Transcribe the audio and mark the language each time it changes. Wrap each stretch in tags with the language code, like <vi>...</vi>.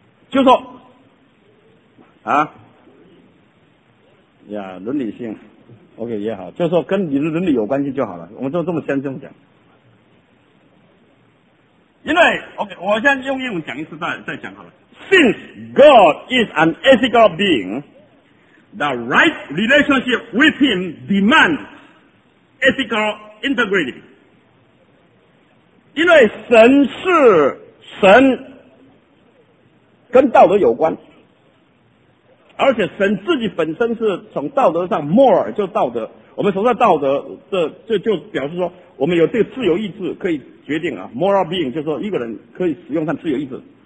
<zh>就说啊呀，伦理性 OK 也好，就说跟你的伦理有关系就好了，我们就这么先这么讲。因为 OK， 我现在用英文讲一次再讲好了。</zh> <en>Since God is an ethical being, the right relationship with him demands ethical integrity。</en> <zh>因为神是神，跟道德有关，而且神自己本身是从道德上 moral 就道德，我们所说的道德这 就表示说我们有这个自由意志可以决定啊， moral being 就是说一个人可以使用他自由意志。</zh>